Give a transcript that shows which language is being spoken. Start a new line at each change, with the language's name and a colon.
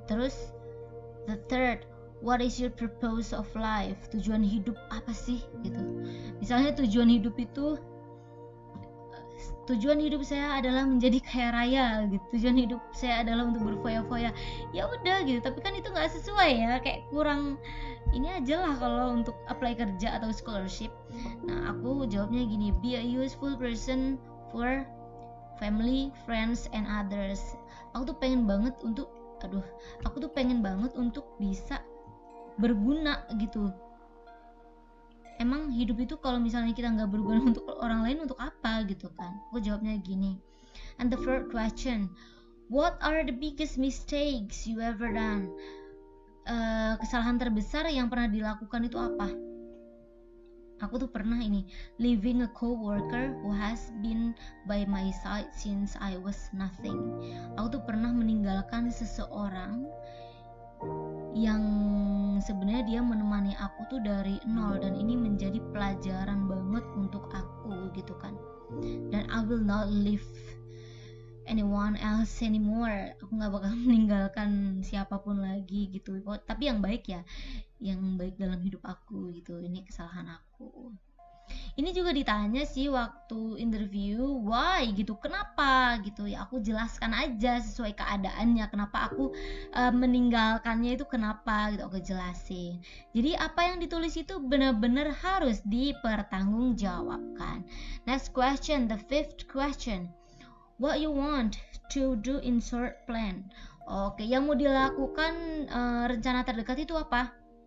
Indonesian: Terus
English: the third, what is your purpose of life?
Indonesian: Tujuan hidup apa sih? Gitu. Misalnya tujuan hidup itu, tujuan hidup saya adalah menjadi kaya raya gitu. Tujuan hidup saya adalah untuk berfoya-foya. Ya udah gitu. Tapi kan itu nggak sesuai ya. Kayak kurang. Ini aja lah kalau untuk apply kerja atau scholarship. Nah aku jawabnya gini.
English: Be a useful person for family, friends, and others.
Indonesian: Aku tuh pengen banget untuk. Aduh. Aku tuh pengen banget untuk bisa berguna gitu. Emang hidup itu kalau misalnya kita nggak berguna untuk orang lain untuk apa gitu kan? Aku jawabnya gini.
English: And the third question, what are the biggest mistakes you ever done?
Indonesian: Kesalahan terbesar yang pernah dilakukan itu apa? Aku tuh pernah ini,
English: leaving a coworker who has been by my side since I was nothing.
Indonesian: Aku tuh pernah meninggalkan seseorang yang sebenarnya dia menemani aku tuh dari nol, dan ini menjadi pelajaran banget untuk aku gitu kan.
English: Dan I will not leave anyone else anymore.
Indonesian: Aku gak bakal meninggalkan siapapun lagi gitu. Tapi yang baik ya, yang baik dalam hidup aku gitu. Ini kesalahan aku. Ini juga ditanya sih waktu interview, why gitu, kenapa gitu. Ya aku jelaskan aja sesuai keadaannya, kenapa aku meninggalkannya itu kenapa gitu, aku jelasin. Jadi apa yang ditulis itu benar-benar harus dipertanggungjawabkan.
English: Next question, the fifth question, what you want to do in short plan.
Indonesian: Oke, yang mau dilakukan rencana terdekat itu apa?